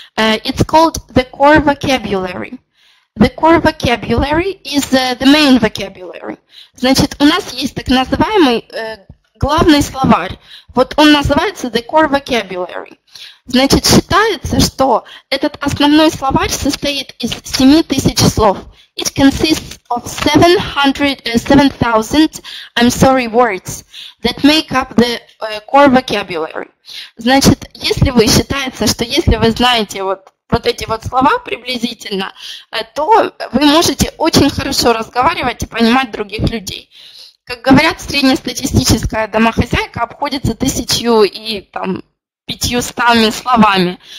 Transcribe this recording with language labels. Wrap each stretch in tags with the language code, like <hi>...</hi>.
<en>It's called the core vocabulary. The core vocabulary is the main vocabulary.</en> <ru>Значит, у нас есть так называемый главный словарь. Вот он называется the core vocabulary. Значит, считается, что этот основной словарь состоит из 7000 слов.</ru> <en>It consists of 7000 words that make up the core vocabulary.</en> <ru>Значит, если вы считаете, что если вы знаете вот эти вот слова приблизительно, то вы можете очень хорошо разговаривать и понимать других людей. Как говорят, среднестатистическая домохозяйка обходится 1500 словами.</ru>